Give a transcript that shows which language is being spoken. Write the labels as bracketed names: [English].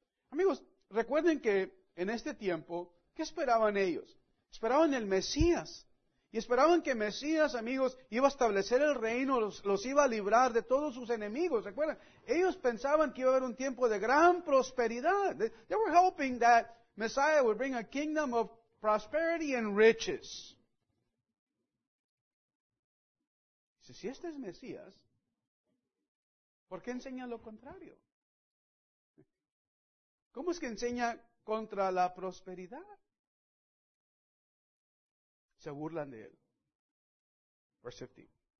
[Spanish] Amigos, recuerden que en este tiempo, ¿qué esperaban ellos? Esperaban el Mesías. Y esperaban que Mesías, amigos, iba a establecer el reino, los iba a librar de todos sus enemigos. ¿Recuerdan? Ellos pensaban que iba a haber un tiempo de gran prosperidad. [English] They were hoping that Messiah would bring a kingdom of prosperity and riches. [Spanish] Si este es Mesías, ¿por qué enseña lo contrario? ¿Cómo es que enseña contra la prosperidad? Se burlan de él. [English] Verse 15.